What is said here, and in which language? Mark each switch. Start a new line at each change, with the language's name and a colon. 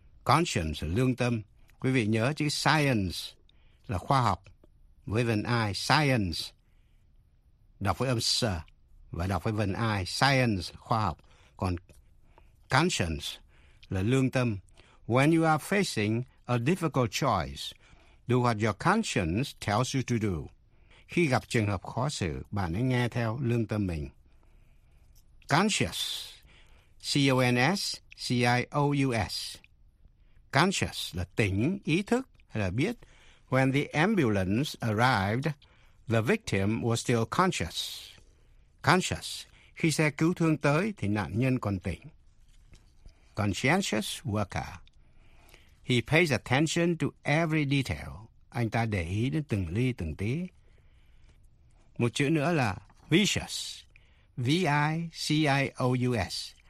Vietnamese: conscience, lương tâm. Quý vị nhớ chữ science là khoa học, with an I, science, đọc với âm s và đọc với vần I, science, khoa học. Còn conscience là lương tâm.
English: When you are facing a difficult choice, do what your conscience tells you to do.
Vietnamese: Khi gặp trường hợp khó xử, bạn hãy nghe theo lương tâm mình.
English: Conscious, C-O-N-S-C-I-O-U-S.
Vietnamese: Conscious là tỉnh, ý thức hay là biết.
English: When the ambulance arrived, the victim was still conscious.
Vietnamese: Conscious, khi xe cứu thương tới thì nạn nhân còn tỉnh.
English: Conscientious worker, he pays attention to every detail.
Vietnamese: Anh ta để ý đến từng ly từng tí. Một chữ nữa là vicious, V-I-C-I-O-U-S.